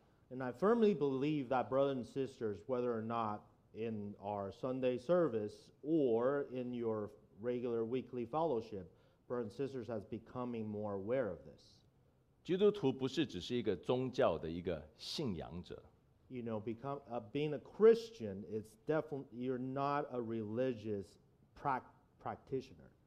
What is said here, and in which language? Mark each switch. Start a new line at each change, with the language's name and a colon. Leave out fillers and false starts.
English: And I firmly believe that, brothers and sisters, whether or not in our Sunday service or in your regular weekly fellowship, brothers and sisters has becoming more aware of this.
Chinese: 基督徒不是只是一个宗教的一个信仰者。
English: You know, being a Christian, it's definitely you're not a religious practitioner.